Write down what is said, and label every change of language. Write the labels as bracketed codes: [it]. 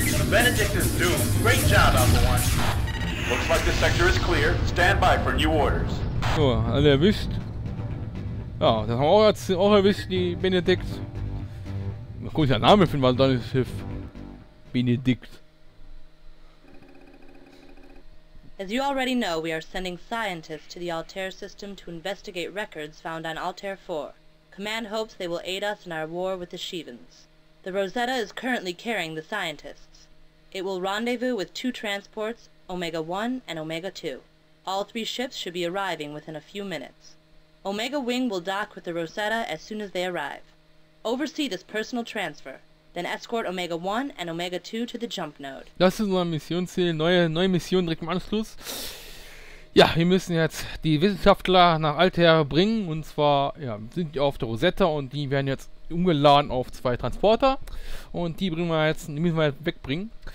[en] Benedict is doomed. Great job, Alpha One. Looks like the sector is clear. Stand by for new orders. [de] So, alle erwischt. Ja, das haben wir auch erwischt, die Benedikt. Mal gucken, der Name finden, was dann das Schiff. Benedikt. [en] As you already know, we are sending scientists to the Altair system to investigate records found on Altair 4. Command hopes they will aid us in our war with the Shivans. The Rosetta is currently carrying the scientists. It will rendezvous with two transports, Omega 1 and Omega 2. All three ships should be arriving within a few minutes. Omega Wing will dock with the Rosetta as soon as they arrive. Oversee this personal transfer, then escort Omega 1 and Omega 2 to the jump node. [de] Das ist unser Missionsziel, neue Mission direkt im Anschluss. Ja, wir müssen jetzt die Wissenschaftler nach Altair bringen, und zwar ja, sind die auf der Rosetta und die werden jetzt umgeladen auf zwei Transporter. Und die bringen wir jetzt, die müssen wir jetzt wegbringen.